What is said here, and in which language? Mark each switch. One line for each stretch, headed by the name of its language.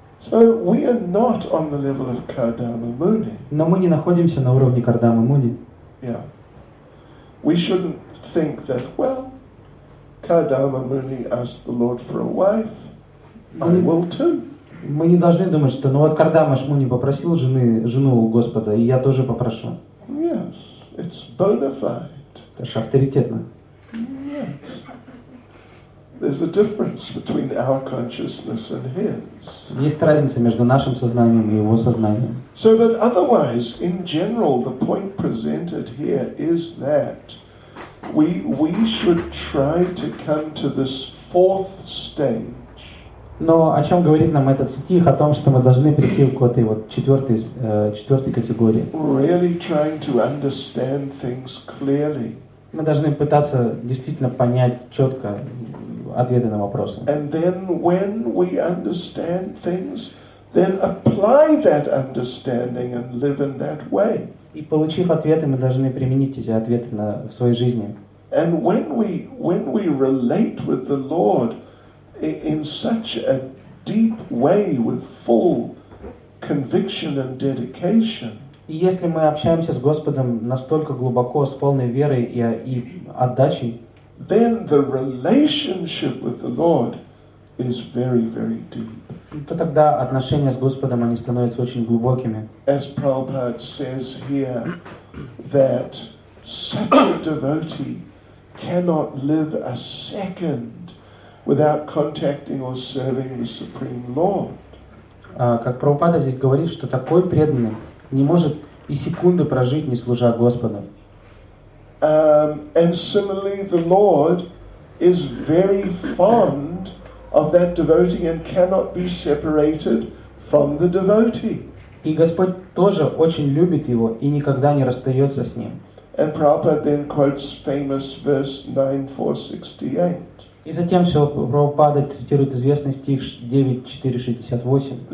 English: So we are not on the level of Kardama Muni.
Russian: Но мы не находимся на уровне Кардама Муни.
English: Yeah. We shouldn't think that, well, Kardama Muni asked the Lord for a wife. I will too.
Russian: Мы не должны думать, что, ну вот Кардама Шмуни попросил жену у Господа, и я тоже попрошу.
English: Yes, it's bona fide.
Russian: Это же авторитетно.
English: Yes. There's a difference between our consciousness and his.
Russian: Есть разница между нашим сознанием и его сознанием.
English: So, but otherwise, in general, the point presented here is that we should try to come to this fourth stage.
Russian: Но о чем говорит нам этот стих? О том, что мы должны прийти к этой вот четвертой категории.
English: Really trying to understand things clearly.
Russian: Мы должны пытаться действительно понять четко ответы на вопросы.
English: And then when we understand things, then apply that understanding and live in that way.
Russian: И получив ответы, мы должны применить эти ответы в своей жизни.
English: And when we relate with the Lord in such a deep way with full conviction and dedication.
Russian: И если мы общаемся с Господом настолько глубоко, с полной верой и отдачей,
English: then the relationship with the Lord is very, very deep.
Russian: То тогда отношения с Господом они становятся очень глубокими.
English: As Prabhupada says here, that such a devotee cannot live a second without contacting or serving the Supreme Lord.
Russian: Как Прабхупада здесь говорит, что такой преданный не может и секунды прожить, не служа Господу.
English: And similarly, the Lord is very fond of that devotee and cannot be separated from the devotee.
Russian: И Господь тоже очень любит его и никогда не расстается с ним.
English: And Prabhupada then quotes famous verse 9.4.68.
Russian: И затем Шрила Прабхупада цитирует известный стих 9.4.68.